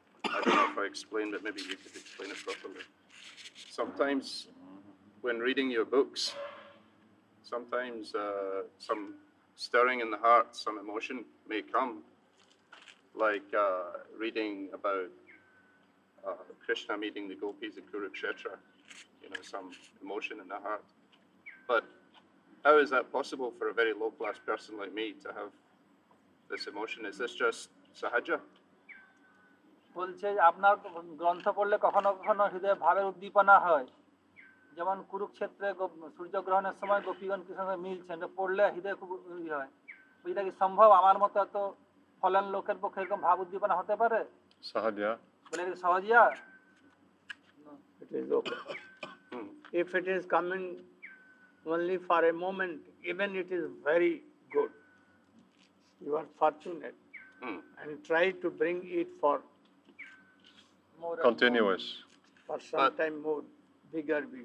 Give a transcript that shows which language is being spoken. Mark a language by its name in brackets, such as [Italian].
[English] I don't know if I explained it, maybe you could explain it properly. Sometimes when reading your books, sometimes some stirring in the heart, some emotion may come, like reading about Krishna meeting the gopis in Kurukshetra, you know, some emotion in the heart. But how is that possible for a very low class person like me to have this emotion? Is this just sahaja? [Bangla] বলছে আপনার গ্রন্থ পড়লে কখনো কখনো হৃদয়ে ভাবের উদ্দীপনা হয়, যেমন কুরুক্ষেত্রে সূর্যগ্রহণের সময় গোপীগণ কৃষ্ণকে মিলছেন, পড়লে হৃদয় খুব হয়। এটা কি সম্ভব আমার মতো এত ফলেন লোকের পক্ষে এরকম ভাব উদ্দীপনা হতে পারে? সাহাজিয়া বলে কি সাহাজিয়া? [English] It is okay if it is coming only for a moment, even it is very good, you are fortunate and try to bring it for continuous for some but time more bigger.